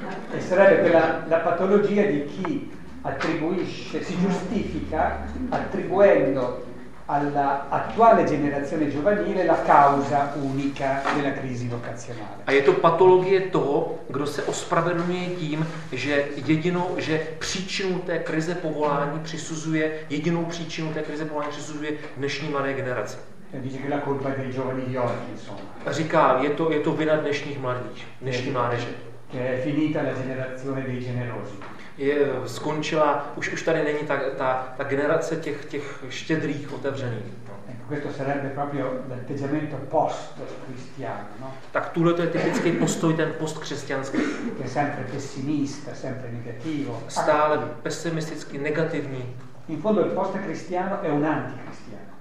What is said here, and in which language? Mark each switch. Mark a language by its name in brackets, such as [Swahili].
[Italian] E sarebbe quella la patologia di chi attribuisce, si giustifica attribuendo alla attuale generazione giovanile la causa unica della crisi vocazionale. [Czech] A je to patologie toho, kdo se ospravedlňuje tím, že jedinou, že příčinu té krize povolání přisuzuje, jedinou příčinu té krize povolání přisuzuje dnešní mladé generace. [Italian] Dice che la colpa è dei giovani di oggi, insomma. [Czech] Říká, je to vina dnešních mladých, dnešní mládeže. [Italian] Che è finita la generazione dei generosi. [Czech] Je skončila, už tady není ta generace těch štědrých, otevřených. [Italian] Questo sarebbe proprio l'atteggiamento post-cristiano, no? [Czech] Tak tuhle to je typický postoj, ten post-křesťanský. [Italian] Che è sempre pessimista, sempre negativo. [Czech] Stále pessimisticky, negativní. [Italian] In fondo il post-cristiano è un anticristiano.